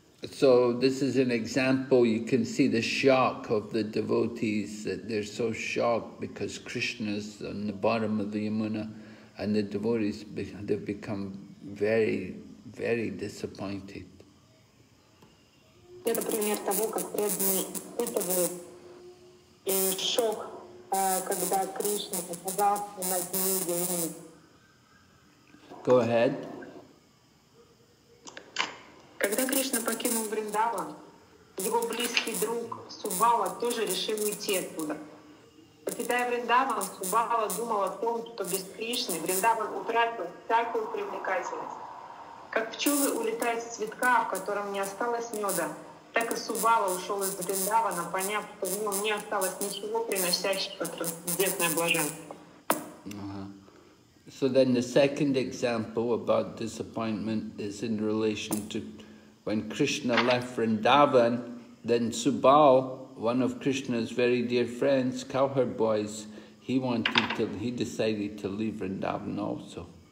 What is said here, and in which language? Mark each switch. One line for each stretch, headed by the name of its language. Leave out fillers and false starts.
English: So this is an example, you can see the shock of the devotees, that they're so shocked because Krishna is on the bottom of the Yamuna, and the devotees, they've become very, very disappointed.
Russian: Это пример того, как преданные испытывают шок, когда Кришна показался на дне Ямуны.
English: Go ahead.
Russian: Когда Кришна покинул Вриндаван, его близкий друг Суббала тоже решил уйти оттуда. Покидая Вриндаван, Суббала думал о том, что без Кришны Вриндаван утратил всякую привлекательность. Как пчелы улетают с цветка, в котором не осталось меда, так и Суббала ушел из Вриндавана, поняв, что в нем не осталось ничего, приносящего трансцендентное блаженство.
English: So then the second example about disappointment is in relation to when Krishna left Vrindavan, then Subal, one of Krishna's very dear friends, cowherd boys, he decided to leave Vrindavan also.